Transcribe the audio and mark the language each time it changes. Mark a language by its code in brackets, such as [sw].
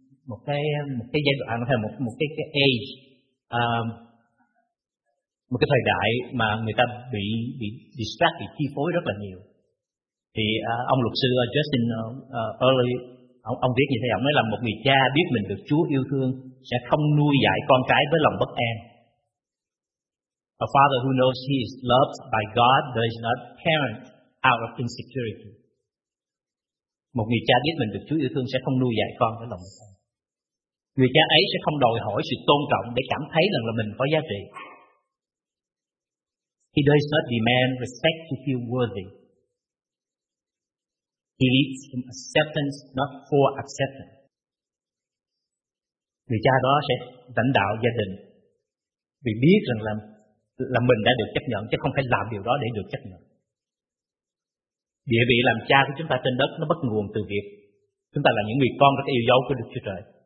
[vi] một cái giai đoạn hay một cái age, một cái thời đại mà người ta bị distract, bị chi phối rất là nhiều. Thì ông luật sư Justin Early ông viết như thế, ông nói là một người cha biết mình được Chúa yêu thương sẽ không nuôi dạy con cái với lòng bất an. [en] A father who knows he is loved by God does not parent out of insecurity. [vi] Một người cha biết mình được Chúa yêu thương sẽ không nuôi dạy con với lòng bất an. Người cha ấy sẽ không đòi hỏi sự tôn trọng để cảm thấy rằng là mình có giá trị. [en] He does not demand respect to feel worthy. He leads from acceptance, not for acceptance. [vi] Người cha đó sẽ lãnh đạo gia đình vì biết rằng là mình đã được chấp nhận, chứ không phải làm điều đó để được chấp nhận. Địa vị làm cha của chúng ta trên đất nó bắt nguồn từ việc chúng ta là những người con rất yêu dấu của Đức Chúa Trời.